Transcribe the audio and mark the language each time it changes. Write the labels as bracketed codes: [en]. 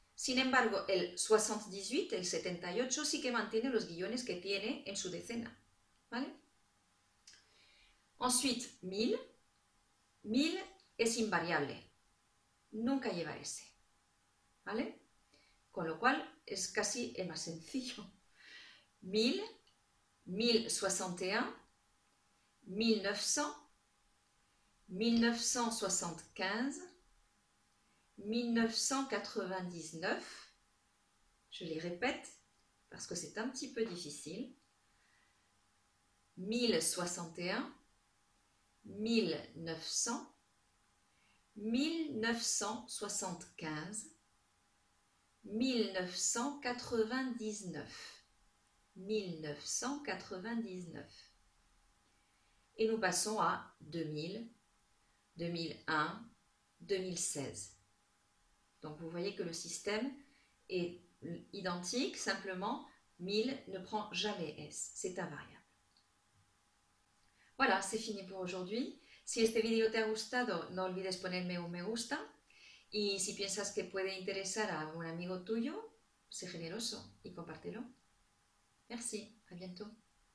[es] Sin embargo, el 78, el 78, sí que mantiene los guiones que tiene en su decena. ¿Vale? [fr] Ensuite, [es] 1000. 1000 es invariable. Nunca lleva S. ¿Vale? Con lo cual, es casi el más sencillo. [fr] 1000, 1061, 1900, 1975, 1999, je les répète parce que c'est un petit peu difficile. 1061, 1900, 1975, 1999. 1999. Et nous passons à 2000, 2001, 2016. Donc vous voyez que le système est identique, simplement 1000 ne prend jamais S, c'est invariable. Voilà, c'est fini pour aujourd'hui. [es] Si este video te ha gustado, no olvides ponerme un me gusta. Y si piensas que puede interesar a un amigo tuyo, sé generoso y compártelo. [fr] Merci, à bientôt.